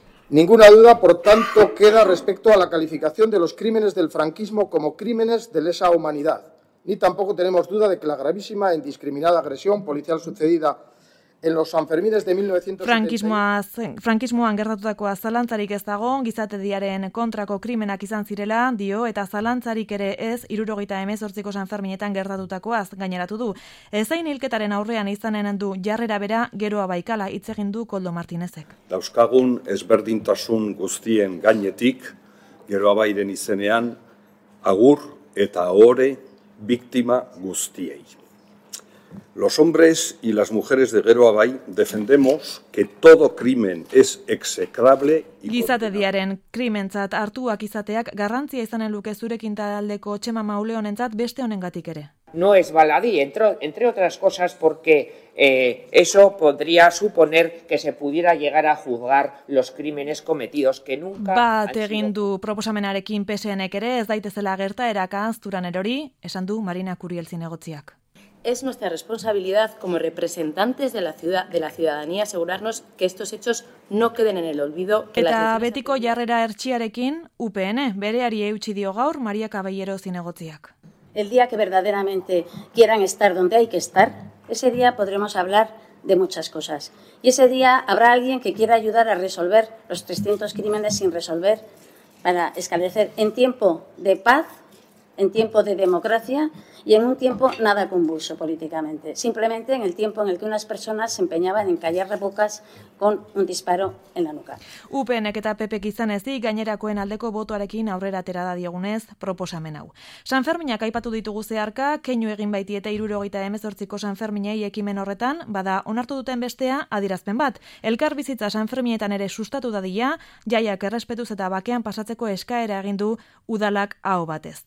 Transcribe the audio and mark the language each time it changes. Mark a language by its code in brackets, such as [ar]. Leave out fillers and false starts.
[es] Ninguna duda, por tanto, queda respecto a la calificación de los crímenes del franquismo como crímenes de lesa humanidad. Ni tampoco tenemos duda de que la gravísima e indiscriminada agresión policial sucedida en los Sanfermines de 1970. [eu] Frankismoan gertatutakoa zalantzarik ez dago, gizatediaren kontrako krimenak izan zirela, dio, eta zalantzarik ere ez, 1978ko Sanferminetan gertatutakoaz gaineratu du. Ezain hilketaren aurrean izanen du jarrera bera, geroa baikala itzegin du Koldo Martinezek. Dauzkagun ezberdintasun guztien gainetik, geroa bairen izenean, agur eta ore biktima guztiei. [es] Los hombres y las mujeres de Gero Abay defendemos que todo crimen es execrable. [eu] Gizatediaren krimentzat hartuak izateak garrantzia izanen luke zurekin taldeko Txema Mauleonentzat beste honengatik ere. [es] No es baladí, entre otras cosas, porque eso podría suponer que se pudiera llegar a juzgar los crímenes cometidos que nunca... [eu] Bat egin du proposamenarekin PSN-ek ere ez daitezela gertaerak ahanzturan erori, esan du Marina Curiel zinegotziak. [es] Es nuestra responsabilidad como representantes de la ciudad de la ciudadanía asegurarnos que estos hechos no queden en el olvido. [eu] Eta betiko jarrera ertxiarekin UPN bereari eutsi dio gaur Maria Caballero zinegotziak. [es] El día que verdaderamente quieran estar donde hay que estar, ese día podremos hablar de muchas cosas. Y ese día habrá alguien que quiera ayudar a resolver los 300 crímenes sin resolver para esclarecer en tiempo de paz, en tiempo de democracia y en un tiempo nada convulso políticamente, simplemente en el tiempo en el que unas personas se empeñaban en callar las bocas con un disparo en la nuca. [eu] UPNek eta PPek izan ezik gainerakoen aldeko botoarekin aurrera atera da diogunez proposamen hau. Sanferminak aipatu ditugu zeharka, keinu egin baitiete 1978ko Sanferminei ekimen horretan, bada onartu duten bestea adierazpen bat. Elkar bizitza Sanferminetan ere sustatu dadila, jaiak errespetuz eta bakean pasatzeko eskaera egin du udalak aho batez.